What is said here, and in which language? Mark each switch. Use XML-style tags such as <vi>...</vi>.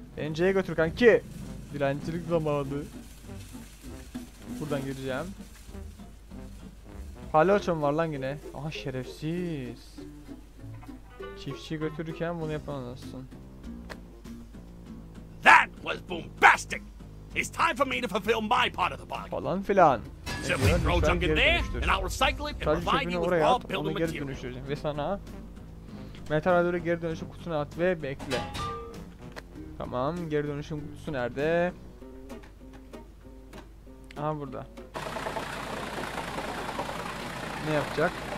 <tr>NC'ye götür kanki. Dilencilik zamanı. Buradan gireceğim. Paloçom var lan yine. Aha şerefsiz. Çiftçi götürürken bunu yapamazsın.</tr> <en>That was bombastic. It's time for me to fulfill my part of the bargain.</en> <tr>Falan filan.</tr> <en>So we throw junk in there and I'll recycle it and provide you with raw building material.</en> <tr>Ve sana metal alloy'u geri dönüşüm kutusuna at ve bekle. Tamam, geri dönüşüm kutusu nerede? Aha burada. Ne yapacak?</tr>